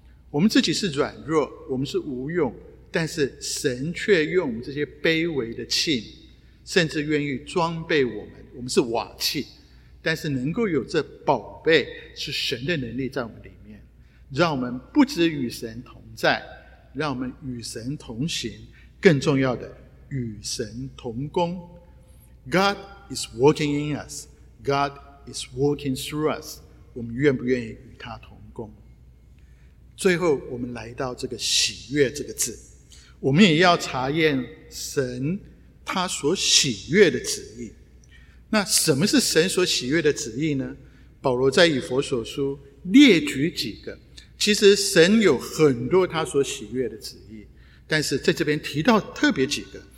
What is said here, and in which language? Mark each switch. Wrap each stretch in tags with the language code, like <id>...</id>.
<zh>我们自己是软弱，我们是无用，但是神却用我们这些卑微的器皿，甚至愿意装备我们。我们是瓦器，但是能够有这宝贝是神的能力在我们里面，让我们不只与神同在，让我们与神同行，更重要的与神同工。</zh> <en>God is working in us， God is working through us，</en> <zh>我们愿不愿意与他同工？最后我们来到这个喜悦这个字，我们也要查验神他所喜悦的旨意。那什么是神所喜悦的旨意呢？保罗在以弗所书列举几个，其实神有很多他所喜悦的旨意，但是在这边提到特别几个。</zh>